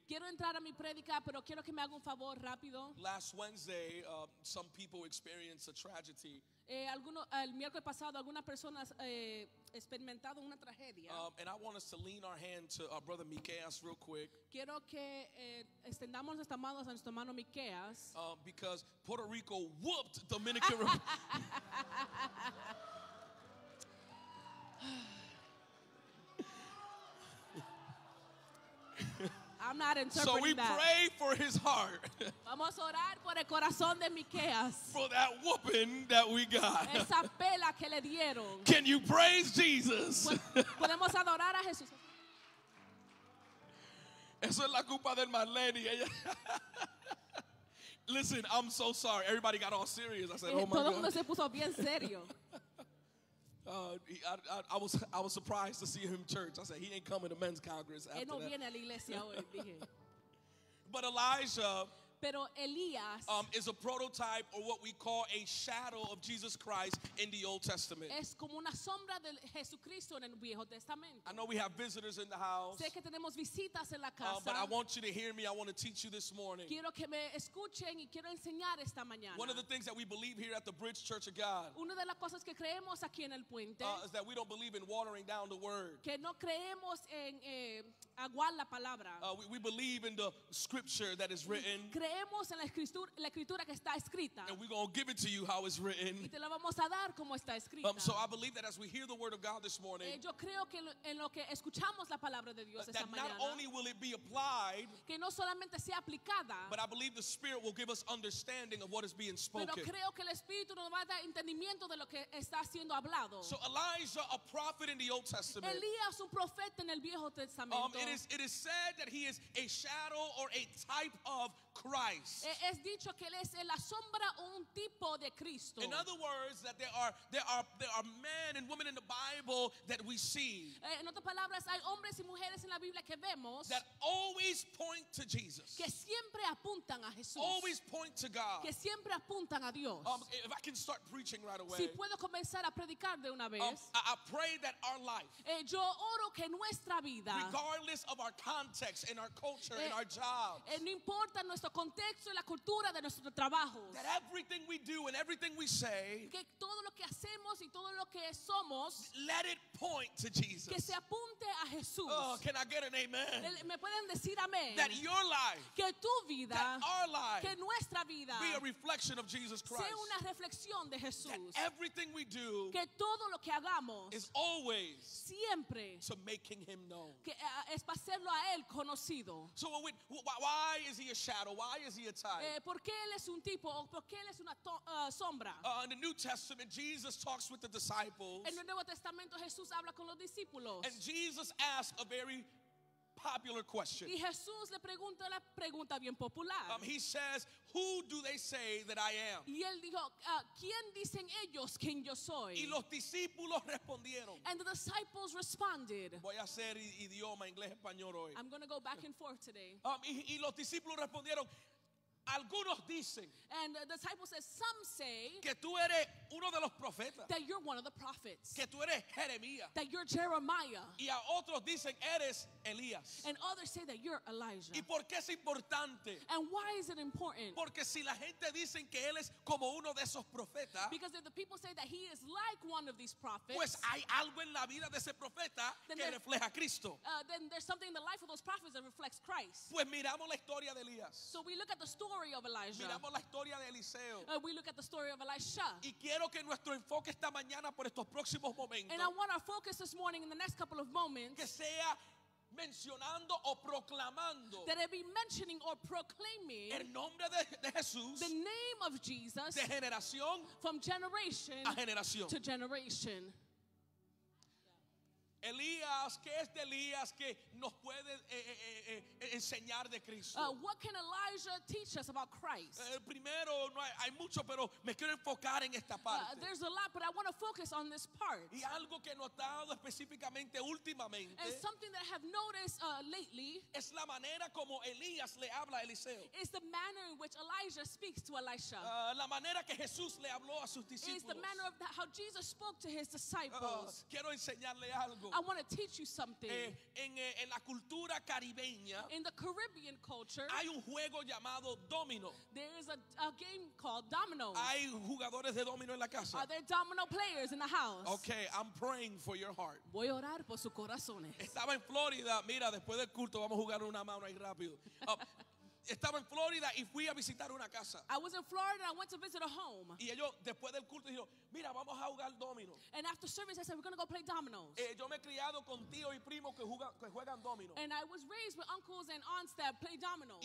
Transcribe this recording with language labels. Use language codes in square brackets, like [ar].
[es] Quiero entrar a mi prédica, pero quiero que me haga un favor rápido. [en] Last Wednesday, some people experienced a tragedy. [es] El miércoles pasado, algunas personas experimentaron una tragedia. [en] And I want us to lean our hand to our brother Miqueas real quick. [es] Quiero que extendamos nuestras manos a nuestro hermano Miqueas. [en] Because Puerto Rico whooped Dominican Republic. I'm not interpreting that. So we that. Pray for his heart. [es] Vamos a orar por el corazón de Miqueas. [en] For that whooping that we got. [es] Esa pela que le dieron. [en] Can you praise Jesus? [es] Podemos adorar a Jesús. Eso es la culpa de Marlene. [en] Listen, I'm so sorry. Everybody got all serious. I said, oh my God. [es] Todo mundo se puso bien serio. [en] I was surprised to see him in church. I said, he ain't coming to men's congress after no that. [es] Viene a la iglesia hoy, dije. [en] But Elijah [es] Pero Elías [en] is a prototype or what we call a shadow of Jesus Christ in the Old Testament. [es] Es como una sombra de Jesucristo en el Viejo Testamento. [en] I know we have visitors in the house. [es] Sé que tenemos visitas en la casa. [en] But I want you to hear me. I want to teach you this morning. [es] Quiero que me escuchen y quiero enseñar esta mañana. [en] One of the things that we believe here at the Bridge Church of God. [es] Una de las cosas que creemos aquí en el puente. [en] Is that we don't believe in watering down the word. [es] Que no creemos en aguar la palabra. [en] We believe in the scripture that is written. [es] Creemos en la escritura que está escrita. [en] And we're going to give it to you how it's written. [es] Y te la vamos a dar como está escrita. [en] So I believe that as we hear the word of God this morning, [es] yo creo que en lo que escuchamos la palabra de Dios esta [en] that [es] mañana, [en] not only will it be applied, [es] que no solamente sea aplicada, [en] but I believe the Spirit will give us understanding of what is being spoken. [es] Pero creo que el Espíritu nos va a dar entendimiento de lo que está siendo hablado. [en] So Elijah, a prophet in the Old Testament, [es] Elías, un profeta en el Viejo Testamento, [en] it is said that he is a shadow or a type of Christ. [es] Es dicho que él es la sombra o un tipo de Cristo. [en] In other words, that there are men and women in the Bible that we see. [es] En otras palabras, hay hombres y mujeres en la Biblia que vemos [en] that always point to Jesus. [es] Que siempre apuntan a Jesús. [en] Always point to God. [es] Que siempre apuntan a Dios. [en] If I can start preaching right away. [es] Si puedo comenzar a predicar de una vez. [en] I pray that our life. [es] Yo oro que nuestra vida. [en] Regardless of our context and our culture and our jobs. [es] No importa nuestro contexto y la cultura de nuestro trabajo. [en] That everything we do and everything we say. [es] Que todo lo que hacemos y todo lo que somos. [en] Let it point to Jesus. [es] Que se apunte a Jesús. [en] Oh, can I get an amen? [es] Me pueden decir amén. [en] That your life. [es] Que tu vida. [en] That our life. [es] Que nuestra vida. [en] Be a reflection of Jesus Christ. [es] Sea una reflexión de Jesús. [en] That everything we do. [es] Que todo lo que hagamos. [en] Is always. [es] Siempre. [en] To making him known. [es] Que es para hacerlo a él conocido. [en] So why is he a shadow? Why is he a type? [es] ¿Por qué él es un tipo? ¿Por qué él es una sombra? [en] In the New Testament, Jesus talks with the disciples. [es] En el Nuevo Testamento, Jesús habla con los discípulos. [en] And Jesus asks a very popular question. [es] Y Jesús le pregunta la pregunta bien popular. [en] He says, "Who do they say that I am?" [es] Y él dijo, ¿quién dicen ellos quién yo soy? Y los discípulos respondieron. [en] And the disciples responded. [es] Voy a hacer idioma inglés español hoy. [en] I'm going to go back and forth today. [es] Y los discípulos respondieron, algunos dicen. [en] And the disciples said, some say [es] que tú eres uno de los profetas. [en] That you're one of the prophets. [es] Que tú eres Jeremías. [en] That you're Jeremiah. [es] Y a otros dicen eres Elías. [en] And others say that you're Elijah. [es] ¿Y por qué es importante? [en] And why is it important? [es] Porque si la gente dicen que él es como uno de esos profetas, [en] because if the people say that he is like one of these prophets, [es] pues hay algo en la vida de ese profeta que refleja a Cristo. [en] Then there's something in the life of those prophets that reflects Christ. [es] Pues miramos la historia de Elías. [en] So we look at the story of Elijah. [es] Miramos la historia de Eliseo. [en] We look at the story of Elisha. [es] Y quiero que nuestro enfoque esta mañana por estos próximos momentos. [en] And I want our focus this morning in the next couple of moments. [es] Que sea mencionando o proclamando. [en] That it be mentioning or proclaiming. [es] El nombre de Jesús. [en] The name of Jesus. [es] De generación. [en] From generation. [es] A generación. [en] To generation. [es] Elías, ¿qué es de Elías que nos puede enseñar de Cristo? [en] What can Elijah teach us about Christ? [es] Primero, no hay mucho, pero me quiero enfocar en esta parte. [en] There's a lot, but I want to focus on this part. [es] Y algo que he notado específicamente últimamente. [en] And something that I have noticed lately. [es] Es la manera como Elías le habla a Eliseo. [en] Is the manner in which Elijah speaks to Elisha. [es] La manera que Jesús le habló a sus discípulos. [en] Is the manner of how Jesus spoke to his disciples. [es] Quiero enseñarle algo. [en] I want to teach you something. [es] En la cultura caribeña, [en] in the Caribbean culture, [es] hay un juego llamado domino. [en] There is a game called domino. [es] Hay jugadores de domino en la casa. [en] Are there domino players in the house? Okay, I'm praying for your heart. [es] Voy a orar por sus corazones. Estaba en Florida. Mira, después del culto vamos a jugar una mano ahí rápido. Estaba en Florida y fui a visitar una casa. [en] I was in Florida and I went to visit a home. [es] Y ellos después del culto dijeron, mira, vamos a jugar domino. [en] And after service I said, we're going to go play dominoes. [es] Yo me he criado con tíos y primos que juegan domino. [en] And I was raised with uncles and aunts that play dominoes.